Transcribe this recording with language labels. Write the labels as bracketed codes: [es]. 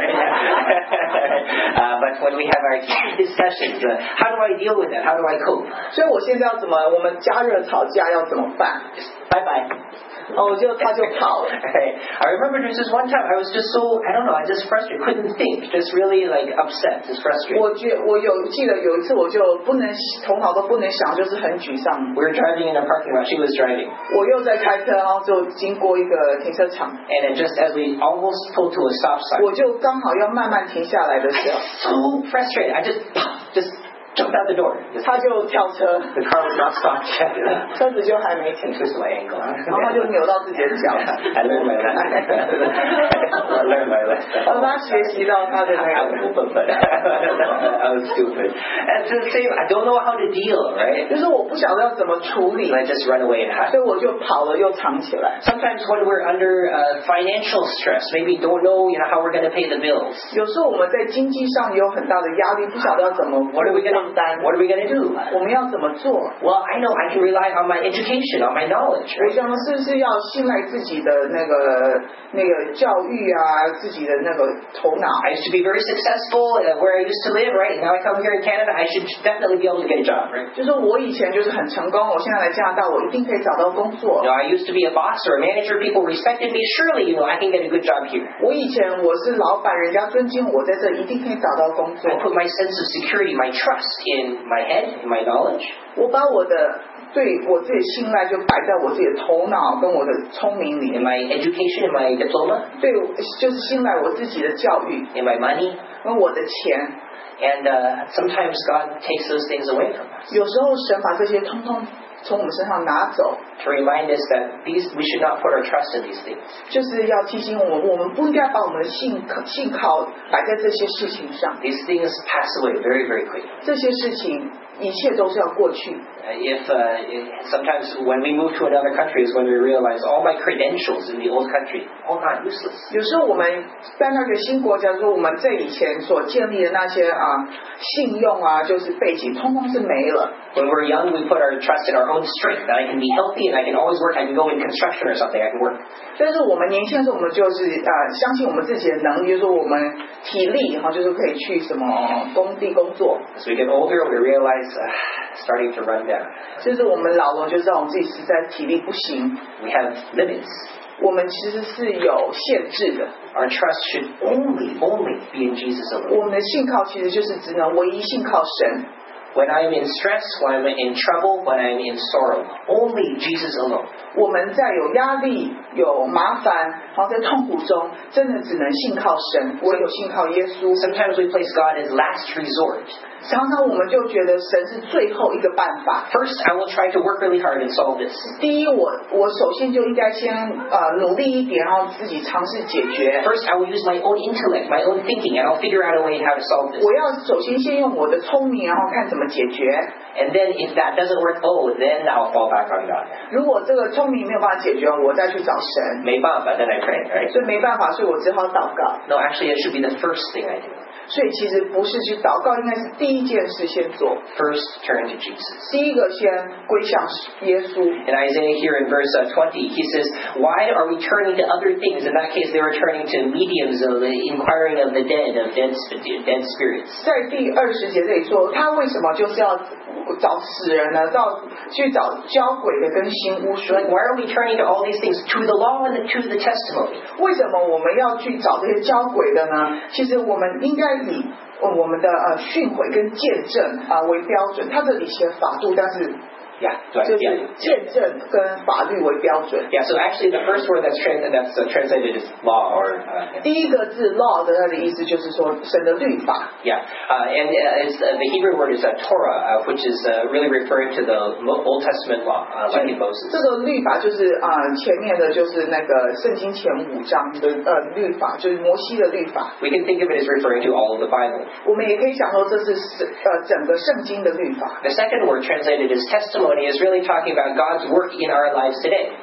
[en] But when we have our heated discussions, how do I deal with it? How do I cope? [zh] 所以我现在要怎么？我们加热吵架要怎么办？拜拜。 Oh, 他就跑了。 [en] I remember there was this one time I was just so, I don't know, I just frustrated, couldn't think, just really like upset, just frustrated. [zh] 我记得有一次我就不能头脑都不能想，就是很沮丧。 [en] We were driving in a parking lot. She was driving. [zh] 我又在开车，然后就经过一个停车场。 [en] And just as we almost pulled to a stop sign, [zh] 我就刚好要慢慢停下来的时候 [en] ，so frustrated, I just. Jumped out the door. [zh] 他就跳车。 [en] The car was not stopped yet. [zh] 车子就还没停。 [en] Twist my ankle. [zh] 然后就扭到自己的脚。 [en] I learned my lesson. I learned my lesson. [zh] 他学习到他的那个。 [en] I was stupid. And the same, I don't know how to deal, right? [zh] 就是我不晓得要怎么处理。 [en] I just run away and hide. [zh] 所以我就跑了又藏起来。 [en] Sometimes when we're under financial stress, maybe don't know, you know, how we're going to pay the bills. [zh] 有时候我们在经济上有很大的压力，不晓得要怎么。 [en] What are we going to do? [zh] 我们要怎么做? [en] Well, I know I can rely on my education, on my knowledge. [zh] 我想是不是要信赖自己的那个教育啊，自己的那个头脑。 [en] I used to be very successful where I used to live, right? Now I come here in Canada, I should definitely be able to get a job, right? [zh] 就是我以前就是很成功，我现在来加拿大，我一定可以找到工作。 [en] No, I used to be a boss or a manager, people respected me. Surely, you know, I can get a good job here. [zh] 我以前我是老板，人家尊敬我，在这一定可以找到工作。 [en] I put my sense of security, my trust in my head, in my knowledge. [zh] 我把我的对我自己信赖就摆在我自己的头脑跟我的聪明里。 [en] In my education, in my diploma. [zh] 对，就是信赖我自己的教育。 [en] In my money. [zh] 跟我的钱。 [en] And sometimes God takes those things away from us. [zh] 有时候神把这些通通从我们身上拿走。 [en] To remind us that we should not put our trust in these things. [zh] 就是要提醒我们不应该把我们的信靠摆在这些事情上。 [en] These things pass away very, very quickly. [zh] 这些事情。一切都是要过去。 [en] Sometimes when we move to another country is when we realize all my credentials in the old country all not useless. [zh] 有时候我们在那个新国家，说我们在以前所建立的那些啊信用啊，就是背景，通通是没了。 [en] When we're young, we put our trust in our own strength that I can be healthy and I can always work. I can go in construction or something. I can work. [zh] 但是我们年轻的时候，我们就是啊相信我们自己的能力，就是我们体力哈，就是可以去什么工地工作。 [en] As we get older, we realize. Starting to run down. [zh] 就是我们老了，就知道我们自己实在体力不行。 [en] We have limits. [zh] 我们其实是有限制的。 [en] Our trust should only be in Jesus alone. [zh] 我们的信靠其实就是只能唯一信靠神。 [en] When I'm in stress, when I'm in trouble, when I'm in sorrow, only Jesus alone. [zh] 我们在有压力、有麻烦，然后在痛苦中，真的只能信靠神，唯有信靠耶稣。 [en] Sometimes we place God as last resort. [zh] 常常我们就觉得神是最后一个办法。 [en] First, I will try to work really hard and solve this. [zh] 第一，我首先就应该先努力一点，然后自己尝试解决。 [en] First, I will use my own intellect, my own thinking, and I'll figure out a way how to solve this. [zh] 我要首先先用我的聪明，然后看怎么解决。 [en] And then if that doesn't work, oh, then I'll fall back on God. [zh] 如果这个聪明没有办法解决，我再去找神。没办法 [en] ，then I pray, right? [zh] 所以没办法，所以我只好祷告。 [en] No, actually, it should be the first thing I do. [zh] 所以其实不是去祷告，应该是第一件事先做。 [en] First, turn to Jesus. [zh] 第一个先归向耶稣。 [en] In Isaiah here in verse 20, he says, "Why are we turning to other things?" In that case, they were turning to mediums of the inquiring of the dead, of dead spirits. [zh] 在第二十节这里说，他为什么就是要找死人呢？到去找教鬼的跟行巫术。 Like, why are we turning to all these things, to the law and to the testimony? 为什么我们要去找这些教鬼的呢？其实我们应该以我们的训诲跟见证啊为标准。他这里写法度，但是 [en] Yeah, so actually the first word that's translated is law or... [zh] 第一个字 law 的它的意思就是说神的律法。 [en] Yeah, and it's, the Hebrew word is Torah, which is really referring to the Old Testament law, like in Moses. [zh] 这个律法就是前面的就是那个圣经前五章的律法，就是摩西的律法。 [en] We can think of it as referring to all of the Bible. [zh] 我们也可以想说这是整个圣经的律法。 [en] The second word translated is testimony. Testimony is really talking about God's work in our lives today.